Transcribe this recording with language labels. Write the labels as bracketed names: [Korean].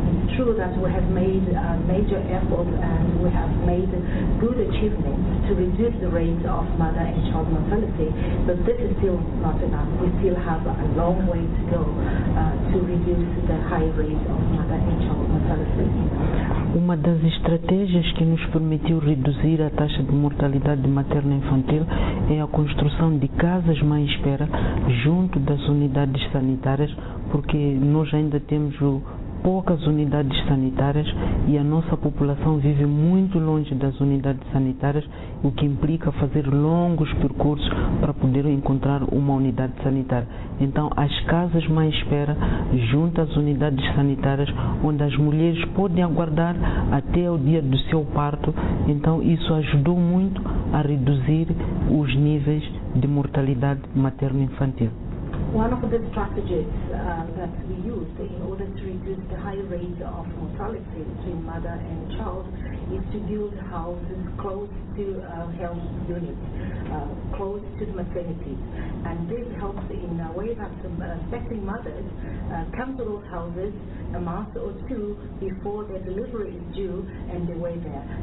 [English] It's true that we have made a major effort and we have made good achievements to reduce the rate of mother and child mortality, but this is still not enough. We still have a long way to go to reduce the high rate of mother and child mortality. [Portuguese] Uma das estratégias que nos permitiu reduzir a taxa de mortalidade materno-infantil é a construção de casas mãe espera junto das unidades sanitárias, porque nós ainda temos poucas unidades sanitárias e a nossa população vive muito longe das unidades sanitárias, o que implica fazer longos percursos para poder encontrar uma unidade sanitária. Então, as casas mais espera junto às unidades sanitárias, onde as mulheres podem aguardar até o dia do seu parto. Então, isso ajudou muito a reduzir os níveis de mortalidade materno-infantil. [English] One of the strategies that we used in order to reduce the high rate of mortality between mother and child is to build houses close to health units, close to the maternity. And this helps in a way that expecting mothers come to those houses a month or two before their delivery is due and they wait there.